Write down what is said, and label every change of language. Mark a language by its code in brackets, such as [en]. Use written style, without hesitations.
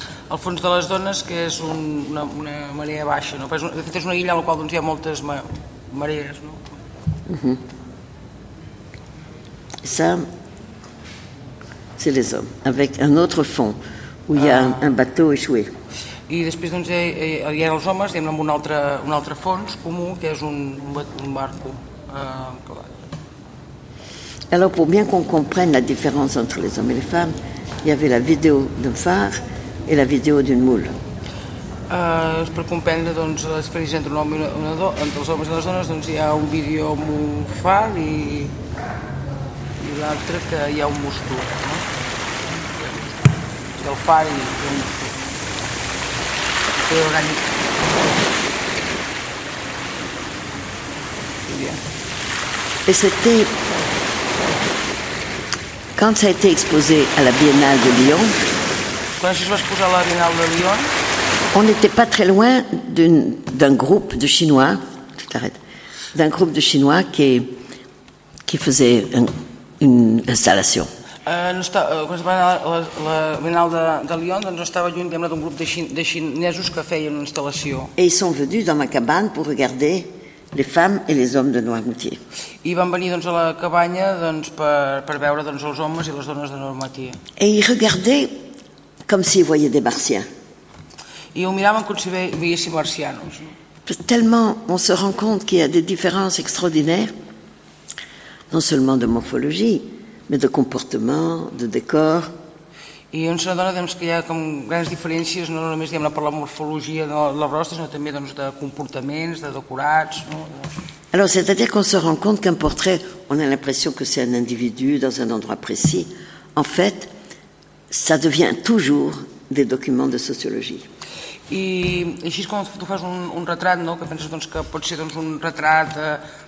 [fr] Le fond [ca] de les dones, [fr] que c'est une marée basse. No? De fait, c'est une île à laquelle il y a beaucoup de marées. No? Mm-hmm. Ça, c'est les hommes, avec un autre fond, où il y a un bateau échoué. [ca] I després, doncs, hi ha els homes, diguem, amb un altre fons comú, que és un barco encalat. [fr] Alors, pour bien qu'on comprenne la différence entre les hommes et les femmes, il y avait la vidéo d'un phare et la vidéo d'une moule. [ca] Per comprendre, doncs, la diferència entre un home i una dona, entre els homes i les dones, doncs, hi ha un vídeo amb un far i l'altre que hi ha un mosto, no? I el far i un mosto. [fr] Et c'était quand ça a été exposé à la Biennale de Lyon. Quand je vais exposer à la Biennale de Lyon. On n'était pas très loin d'un groupe de Chinois. Tu t'arrêtes. D'un groupe de Chinois qui faisait une installation. [ca] Quan es va anar a la Biennale de Lyon, doncs estava lluny, diguem-ne, d'un grup de xinesos que feien una instal·lació. [fr] Et ils sont venus dans ma cabane pour regarder les femmes et les hommes de Noirmoutier. [ca] I van venir, doncs, a la cabanya, doncs, per veure, doncs, els homes i les dones de Noirmoutier. [fr] Et ils regardaient comme s'ils voyaient des martiens. [ca] I ho miraven com si veiessin marcianos. [fr] Tellement on se rend compte qu'il y a des différences extraordinaires, non seulement de morphologie, mais de comportement, de décor. [ca] I on se n'adona, doncs, que hi ha com grans diferències, no només, diguem-ne, per la morfologia de la brosta, sinó també, doncs, de comportaments, de decorats. No? [fr] Alors, c'est-à-dire qu'on se rend compte qu'un portrait, on a l'impression que c'est un individu dans un endroit précis. En fait, ça devient toujours des documents de sociologie. [ca] I així és com tu fas un retrat, no?, que penses, doncs, que pot ser, doncs, un retrat...